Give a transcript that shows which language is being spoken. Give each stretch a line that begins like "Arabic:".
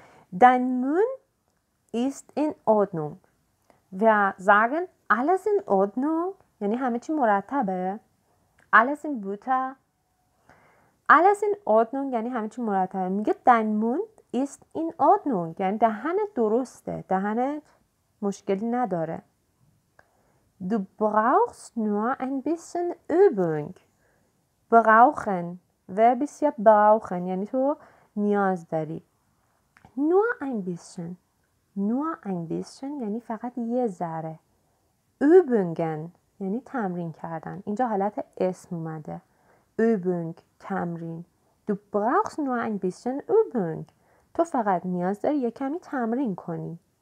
German: Dein Mund ist in Ordnung. Wir sagen alles in Ordnung,
Persian: یعنی همه چی مرتبه.
German: Alles in guter. Alles in Ordnung
Persian: یعنی همه چی مرتبه. میگه
German: dein Mund ist in Ordnung.
Persian: یعنی دهنت درسته. دهنت مشکلی نداره.
German: Du brauchst nur ein bisschen Übung. Brauchen. Verb ist ja brauchen.
Persian: یعنی تو نیاز داری.
German: Nur ein bisschen. Nur ein bisschen
Persian: یعنی فقط یه ذره. Übungen یعنی تمرین کردن. اینجا حالت اسم اومده.
German: Übung تمرین. Du brauchst nur ein bisschen Übung.
Persian: تو فقط نیاز داری یه کمی تمرین کنی.